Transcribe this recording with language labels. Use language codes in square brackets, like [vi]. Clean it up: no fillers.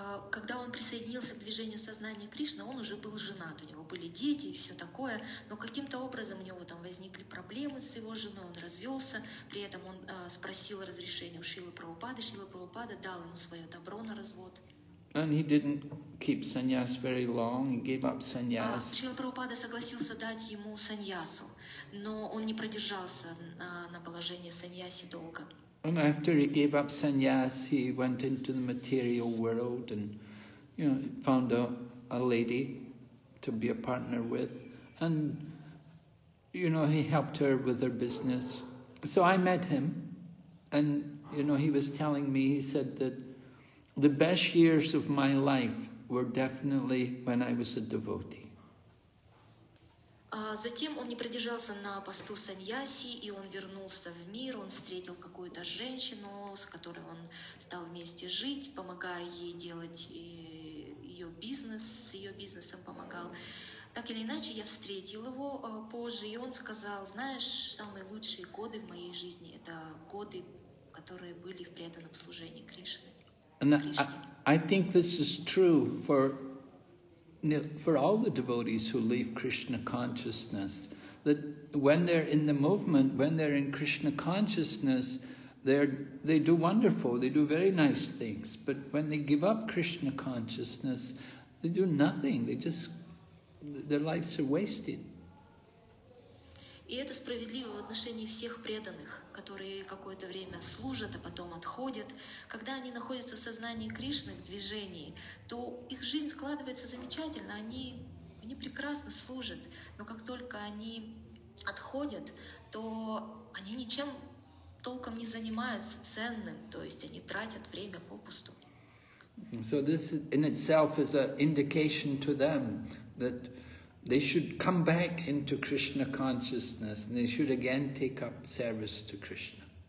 [ru] Когда он присоединился к движению сознания Кришны, он уже был женат, у него были дети и все такое, но каким-то образом у него там возникли проблемы с его женой, он развелся, при этом он спросил разрешение у Шрилы Прабхупады, Шрила Прабхупада дал ему свое добро на развод. [en] And he didn't keep sannyas very long. He gave up sannyas. [ru] Шрила Прабхупада согласился дать ему саньясу, но он не продержался на положении саньяси долго. [en] And after he gave up sannyas, he went into the material world and, you know, found a lady to be a partner with, and, you know, he helped her with her business. So I met him, and, you know, he was telling me, he said that, The best years of my life were definitely when I was a devotee. [ru] Затем он не продержался на посту саньяси, и он вернулся в мир, он встретил какую-то женщину, с которой он стал вместе жить, помогая ей делать ее бизнес, с ее бизнесом помогал. Так или иначе, я встретил его позже, и он сказал, знаешь, самые лучшие годы в моей жизни – это годы, которые были в преданном служении Кришне. [en] I think this is true for all the devotees who leave Krishna consciousness, that when they're in the movement, when they're in Krishna consciousness, they do wonderful, they do very nice things. But when they give up Krishna consciousness, they do nothing. Their lives are wasted. [ru] И это справедливо в отношении всех преданных, которые какое-то время служат, а потом отходят. Когда они находятся в сознании Кришны, в движении, то их жизнь складывается замечательно, они прекрасно служат. Но как только они отходят, то они ничем толком не занимаются ценным, то есть они тратят время попусту. [en] So this in itself is an indication to them that they should come back into Krishna consciousness, and they should again take up service to Krishna.